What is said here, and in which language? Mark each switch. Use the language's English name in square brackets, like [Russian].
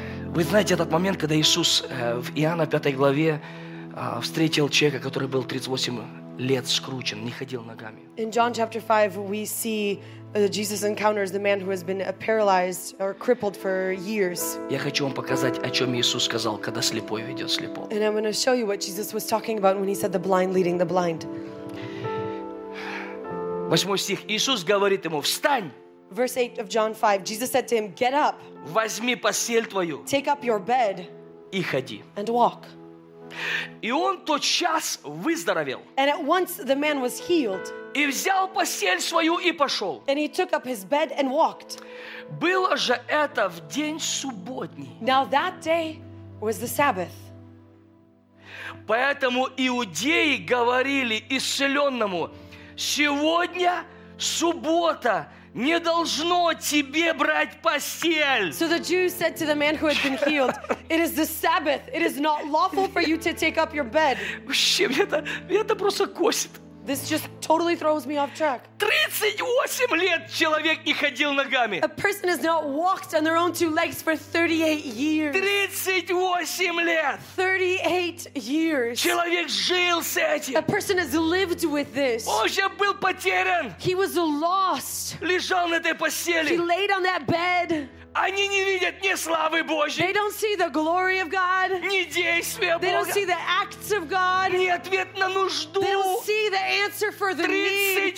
[Russian] Вы знаете этот момент, когда Иисус в Иоанна 5 главе встретил человека, который был 38 лет скручен, не ходил ногами. [English] In John chapter 5 we see Jesus encounters the man who has been paralyzed or crippled for years. [Russian] Я хочу вам показать, о чем Иисус сказал, когда слепой ведет слепого. [English] And I'm going to show you what Jesus was talking about when he said the blind leading the blind. [Russian] 8 стих. Иисус говорит ему: встань. [English] Verse 8 of John 5, Jesus said to him, get up. [Russian] Возьми постель твою. [English] Take up your bed. [Russian] И ходи. [English] And walk. [Russian] И он тотчас выздоровел. [English] And at once the man was healed. [Russian] И взял постель свою и пошел. [English] And he took up his bed and walked. [Russian] Было же это в день субботний. [English] Now that day was the Sabbath. [Russian] Поэтому иудеи говорили исцеленному: сегодня суббота, не должно тебе брать постель. [English] So the Jews said to the man who had been healed, it is the Sabbath, it is not lawful for you to take up your bed. [Russian] Вообще, мне это просто косит. [English] This just totally throws me off track. [Russian] 38 лет человек не ходил ногами. [English] A person has not walked on their own two legs for 38 years. [Russian] 38 лет. [English] 38 years. [Russian] Человек жил с этим. [English] A person has lived with this. [Russian] Он же был потерян. [English] He was lost. [Russian] Лежал на этой постели. [English] He laid on that bed. [Russian] Они не видят ни славы Божьей. [English] They don't see the glory of God. [Russian] Ни действия Бога. [English] They don't see the acts of God. [Russian] Ни ответ на нужду. [English] They don't see the answer for the need.